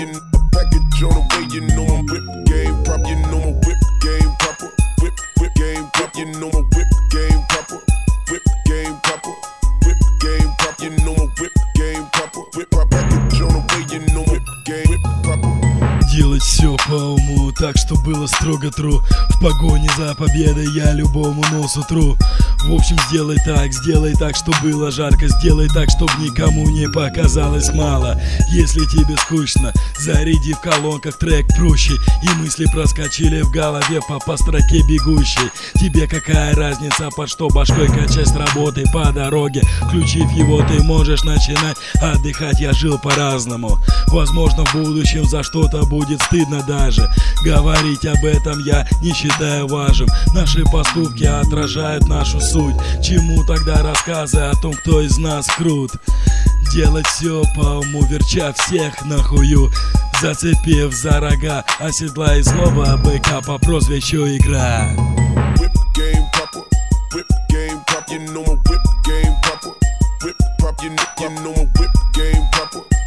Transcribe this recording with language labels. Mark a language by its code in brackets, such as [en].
[en] You know my package on the way. You know my whip game proper. You know my whip game proper. Whip whip game proper. You know my whip game proper. Whip game proper. Whip game proper. You know my whip game proper. Whip my package on the way. You know my whip game whip proper. [ru] Делать все по уму, так что было строго тру. В погоне за победой я любому нос утру. В общем, сделай так, чтобы было жарко. Сделай так, чтобы никому не показалось мало. Если тебе скучно, заряди в колонках трек проще. И мысли проскочили в голове по строке бегущей. Тебе какая разница, под что башкой качать с работы по дороге. Включив его, ты можешь начинать отдыхать. Я жил по-разному, возможно, в будущем за что-то будет стыдно даже. Говорить об этом я не считаю важным. Наши поступки отражают нашу суть. Чему тогда рассказы о том, кто из нас крут? Делать все по уму, верча всех нахую. Зацепив за рога, оседлай злого быка по прозвищу игра. [en] Whip game proper, whip game proper. You know my whip game proper. Whip proper, you know my whip game proper.